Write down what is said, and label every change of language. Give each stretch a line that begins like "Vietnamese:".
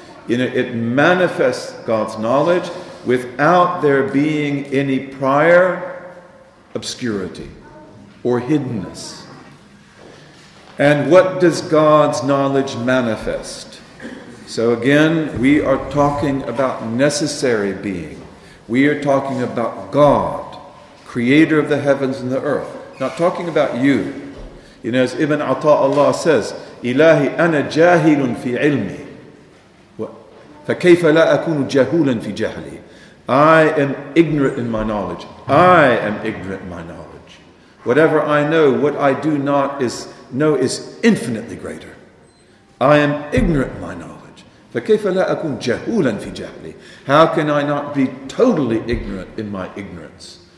English: You know, it manifests God's knowledge without there being any prior obscurity or hiddenness. And what does God's knowledge manifest? So again, we are talking about necessary being. We are talking about God, creator of the heavens and the earth. Not talking about you. You know, as Ibn Ata'Allah says,
Arabic: إِلَهِ أَنَا جَاهِلٌ فِي عِلْمِي فَكَيْفَ لَا أَكُونُ جَهُولًا فِي جَهْلِي.
English: I am ignorant in my knowledge. I am ignorant in my knowledge. Whatever I know, what I do not is know is infinitely greater. I am ignorant in my knowledge.
Arabic: فَكَيْفَ لَا أَكُونُ جَهُولًا فِي جَهْلِي.
English: How can I not be totally ignorant in my ignorance?